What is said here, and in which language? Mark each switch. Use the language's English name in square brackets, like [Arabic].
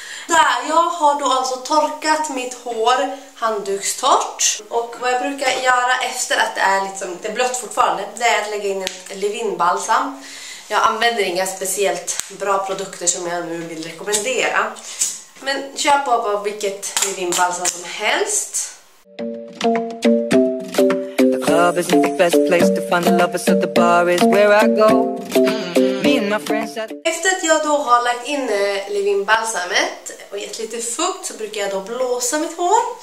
[Swedish] Där, jag har då alltså torkat mitt hår handdukstort. Och vad jag brukar göra efter att det är liksom, det är blött fortfarande, det är att lägga in en leave-in balsam. Jag använder inga speciellt bra produkter som jag nu vill rekommendera. Men köp av vilket leave-in balsam som helst. [English] Love isn't the best place to find the lovers, so the bar is where I go. Me and my friends are... [Swedish] Efter att jag då har lagt in leave-in balsamet och gett lite fukt, så brukar jag då blåsa mitt hår.